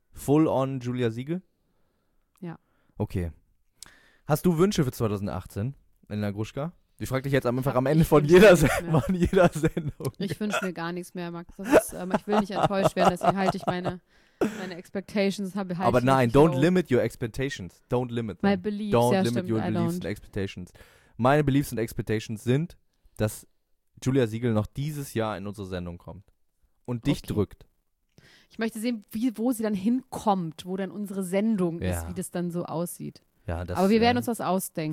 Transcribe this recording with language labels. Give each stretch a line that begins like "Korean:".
English: Full on Julia Siegel?
German: Ja. Okay. Hast du Wünsche für 2018, Elena Gruschka? Ich frage dich jetzt einfach am Ende von jeder Sendung. Ich wünsche mir gar nichts mehr, Max. Ich will nicht enttäuscht werden, deswegen halte ich meine Expectations. Aber nein,
English: don't limit your expectations. Don't limit them. My beliefs. Don't limit your beliefs and expectations.
German: Meine
English: Beliefs and Expectations
German: sind, dass Julia Siegel noch dieses Jahr in unsere Sendung kommt und dich drückt. Ich möchte sehen, wo sie dann hinkommt, wo dann unsere Sendung ist, wie das dann so aussieht. Ja, das, aber wir werden uns was ausdenken.